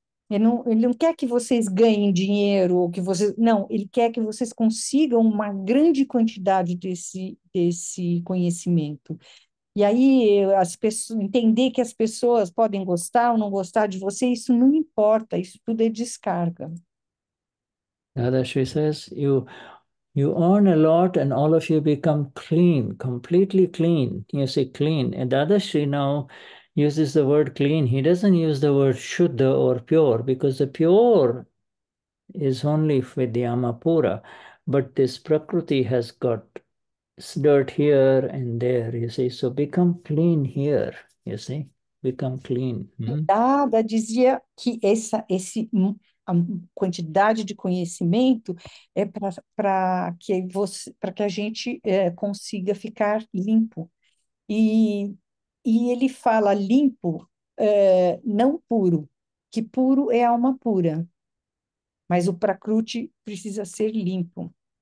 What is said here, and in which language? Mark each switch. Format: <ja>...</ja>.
<pt>Ele não quer que vocês ganhem dinheiro ou que vocês. Não, ele quer que vocês consigam uma grande quantidade desse conhecimento. E aí, as pessoas, entender que as pessoas podem gostar ou não gostar de você, isso não importa, isso tudo é descarga.</pt> <en>Dadashri says, you earn a lot and all of you become clean, completely clean. You say clean. And Dadashri now uses the word clean. He doesn't use the word Shuddha or pure, because the pure is only with the Amapura. But this Prakriti has got dirt here and there, you see. So become clean here, you see. Become clean.</en> <pt>Dada dizia que esse a quantidade de conhecimento é para que a gente consiga ficar limpo. E ele fala limpo, não puro, que puro é alma pura, mas o Prakruti precisa ser limpo.</pt>